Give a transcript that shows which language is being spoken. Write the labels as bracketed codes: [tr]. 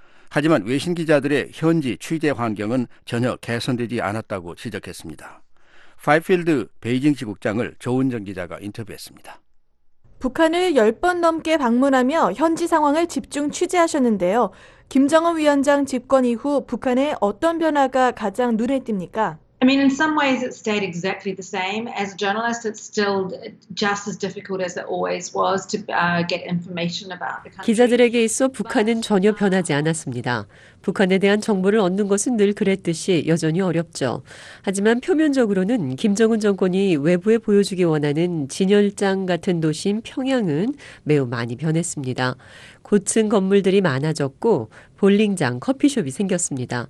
[ko] 하지만 외신 기자들의 현지 취재 환경은 전혀 개선되지 않았다고 지적했습니다. 파이필드 베이징 지국장을 조은정 기자가 인터뷰했습니다. 북한을 10번 넘게 방문하며 현지 상황을 집중 취재하셨는데요. 김정은 위원장 집권 이후 북한의 어떤 변화가 가장 눈에 띕니까? [en] I mean, in some ways, it stayed exactly the same. As a journalist, it's still just as difficult as it always was to get information about the country. [ko] 기자들에게 있어 북한은 전혀 변하지 않았습니다. 북한에 대한 정보를 얻는 것은 늘 그랬듯이 여전히 어렵죠. 하지만 표면적으로는 김정은 정권이 외부에 보여주기 원하는 진열장 같은 도시인 평양은 매우 많이 변했습니다. 고층 건물들이 많아졌고 볼링장, 커피숍이 생겼습니다.